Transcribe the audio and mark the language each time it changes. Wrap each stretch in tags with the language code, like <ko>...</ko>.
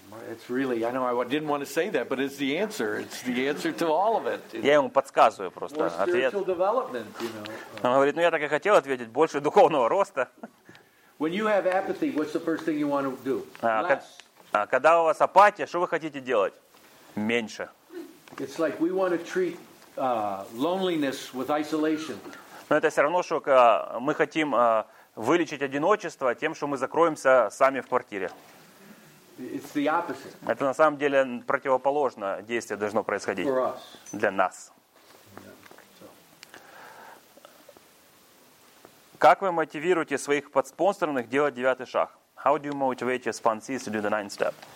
<en>It's really, I know I didn't want to say that, but it's the answer. It's the answer to all of it.</en> <ru>Я ему подсказываю просто ответ.</ru> <en>More spiritual development, you know.</en> <ru>Он говорит, ну я так и хотел ответить, больше духовного роста.</ru> <en>When you have apathy, what's the first thing you want to do?</en> <ru>Когда у вас апатия, что вы хотите делать? Меньше.</ru> <en>It's like we want to treat loneliness with isolation.</en> <ru>Но это все равно, что мы хотим вылечить одиночество тем, что мы закроемся сами в квартире.</ru> <en>It's the opposite.</en> <ru>Это на самом деле противоположно действие должно происходить.</ru> <en>For us.</en> <ru>Для нас. Как вы мотивируете своих подспонсорных делать девятый шаг?</ru> <en>How do you motivate your sponsees to do the ninth step?</en>